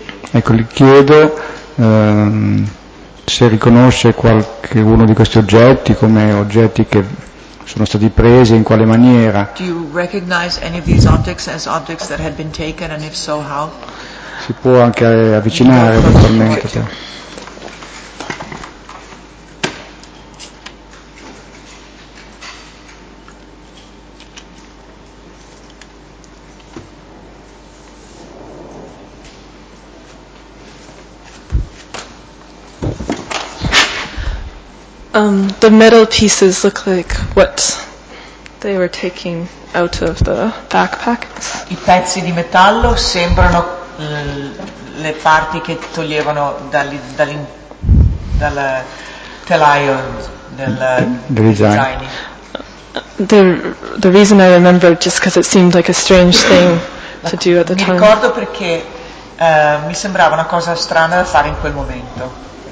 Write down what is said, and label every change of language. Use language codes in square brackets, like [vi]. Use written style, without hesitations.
[it] Ecco, gli chiedo se riconosce qualche uno di questi oggetti come oggetti che sono stati presi, in quale maniera. [en] Do you recognize any of these objects as objects that had been taken, and if so, how? [it] Si può anche avvicinare eventualmente. [en] The metal pieces look like what they were taking out of the backpacks. [it] I pezzi di metallo sembrano le parti che toglievano dal telaio del zaino. [en] The reason I remember just because it seemed like a strange thing to do at the time. [it] Mi ricordo perché mi sembrava una cosa strana da fare in quel momento.